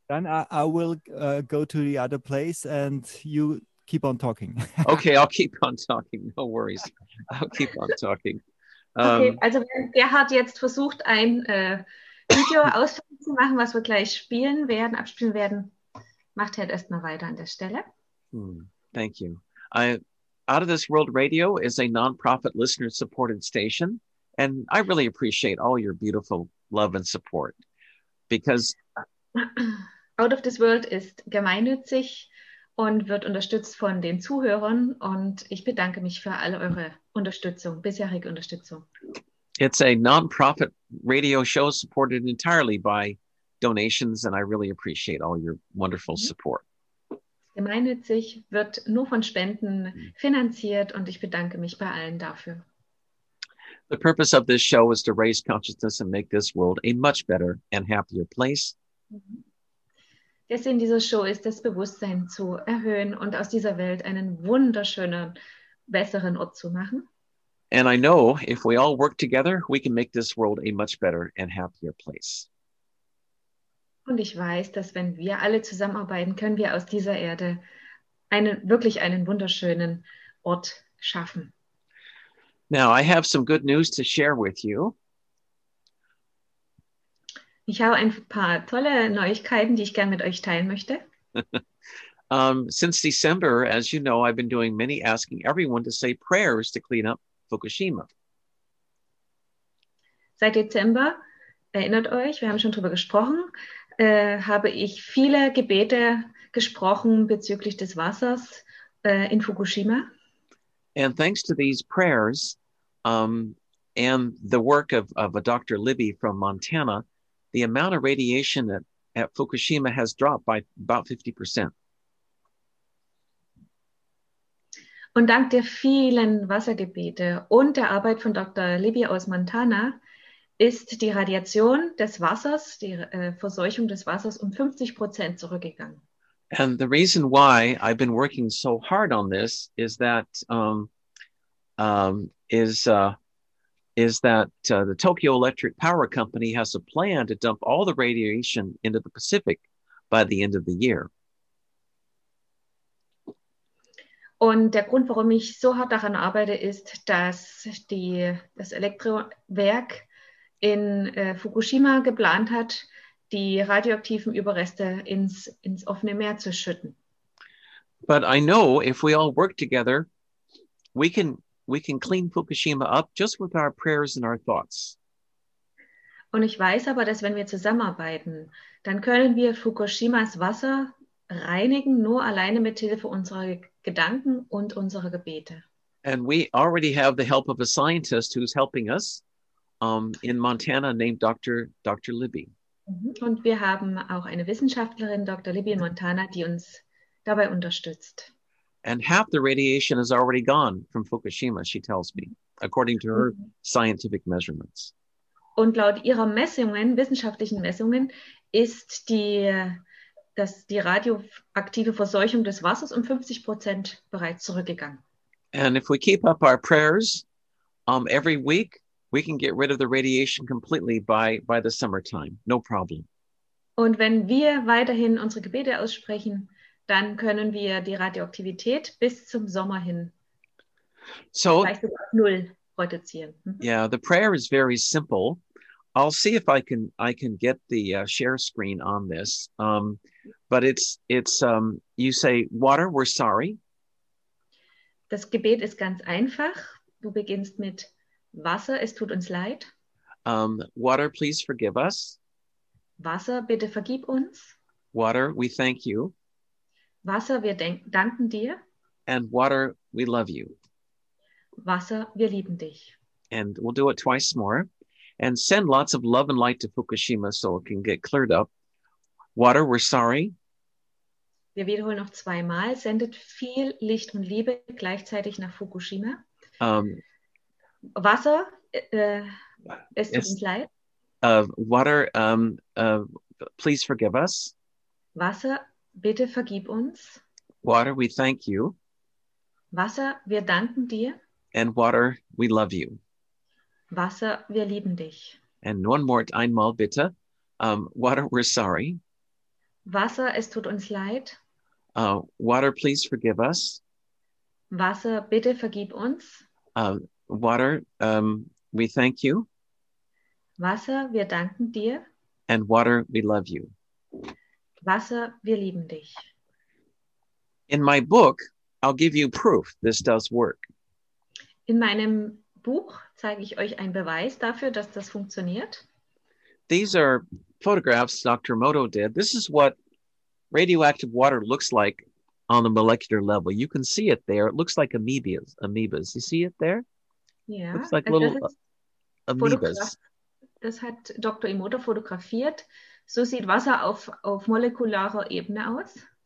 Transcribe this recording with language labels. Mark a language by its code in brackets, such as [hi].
[en] then I will go to the other place, and you keep on talking. Okay, I'll keep on talking. No worries, I'll keep on talking. [de] Okay, also wenn Gerhard jetzt versucht, ein Video ausfindig zu machen, was wir gleich abspielen werden, macht Ted erstmal weiter an der Stelle. [en] Thank you. Out of This World Radio is a nonprofit listener-supported station, and I really appreciate all your beautiful love and support, because [de] Out of This World ist gemeinnützig und wird unterstützt von den Zuhörern, und ich bedanke mich für all eure Unterstützung, bisherige Unterstützung. [en] It's a nonprofit radio show supported entirely by donations, and I really appreciate all your wonderful support. [de] Gemeinnützig wird nur von Spenden finanziert, und ich bedanke mich bei allen dafür. [en] The purpose of this show is to raise consciousness and make this world a much better and happier place. [de] Der Sinn dieser Show ist, das Bewusstsein zu erhöhen und aus dieser Welt einen wunderschönen, besseren Ort zu machen. [en] And I know if we all work together, we can make this world a much better and happier place. [de] Und ich weiß, dass wenn wir alle zusammenarbeiten, können wir aus dieser Erde einen wirklich einen wunderschönen Ort schaffen. [en] Now, I have some good news to share with you. [de] Ich habe ein paar tolle Neuigkeiten, die ich gerne mit euch teilen möchte. [en] Since December, as you know, I've been doing many asking everyone to say prayers to clean up Fukushima. [de] Seit Dezember, erinnert euch, wir haben schon drüber gesprochen, habe ich viele Gebete gesprochen bezüglich des Wassers in Fukushima. [en] And thanks to these prayers and the work of a Dr. Libby from Montana, the amount of radiation at Fukushima has dropped by about 50%. [de] Und dank der vielen Wassergebete und der Arbeit von Dr. Libby aus Montana ist die Radiation des Wassers, die Verseuchung des Wassers um 50% zurückgegangen. [en] And the reason why I've been working so hard on this is that the Tokyo Electric Power Company has a plan to dump all the radiation into the Pacific by the end of the year. [de] Und der Grund, warum ich so hart daran arbeite, ist, dass das Elektrowerk in Fukushima geplant hat, die radioaktiven Überreste ins offene Meer zu schütten. [en] But I know if we all work together, we can clean Fukushima up just with our prayers and our thoughts. [de] Und ich weiß aber, dass wenn wir zusammenarbeiten, dann können wir Fukushimas Wasser reinigen, nur alleine mit Hilfe unserer Gedanken und unserer Gebete. [en] And we already have the help of a scientist who's helping us in Montana, named Dr. Libby. [de] Und wir haben auch eine Wissenschaftlerin, Dr. Libby in Montana, die uns dabei unterstützt. [en] And half the radiation is already gone from Fukushima, she tells me, according to her scientific measurements. [de] Und laut ihrer Messungen, wissenschaftlichen Messungen, ist die radioaktive Verseuchung des Wassers um 50% bereits zurückgegangen. [en] And if we keep up our prayers every week, we can get rid of the radiation completely by the summertime. No problem. [de] Und wenn wir weiterhin unsere Gebete aussprechen, dann können wir die Radioaktivität bis zum Sommer hin vielleicht sogar auf null reduzieren. [en] Yeah, the prayer is very simple. I'll see if I can get the share screen on this. But it's you say, water, we're sorry. [de] Das Gebet ist ganz einfach. Du beginnst mit Wasser, es tut uns leid. [en] Water, please forgive us. [de] Wasser, bitte vergib uns. [en] Water, we thank you. [de] Wasser, wir danken dir. [en] And water, we love you. [de] Wasser, wir lieben dich. [en] And we'll do it twice more. And send lots of love and light to Fukushima so it can get cleared up. Water, we're sorry. [de] Wir wiederholen noch zweimal. Sendet viel Licht und Liebe gleichzeitig nach Fukushima. Wasser, es tut uns leid. [en] Please forgive us. [de] Wasser, bitte vergib uns. [en] Water, we thank you. [de] Wasser, wir danken dir. [en] And water, we love you. [de] Wasser, wir lieben dich. [en] And one more [de] einmal bitte. [en] Water, we're sorry. [de] Wasser, es tut uns leid. [en] Water, please forgive us. [de] Wasser, bitte vergib uns. [en] Water, we thank you. [de] Wasser, wir danken dir. [en] And water, we love you. [de] Wasser, wir lieben dich. [en] In my book, I'll give you proof this does work. [de] In meinem Buch zeige ich euch einen Beweis dafür, dass das funktioniert. [en] These are photographs Dr. Moto did. This is what radioactive water looks like on the molecular level. You can see it there. It looks like amoebas. You see it there? Yeah. Looks like little amoebas. [de] Das hat Dr. Imoto fotografiert. So sieht Wasser auf molekularer Ebene aus.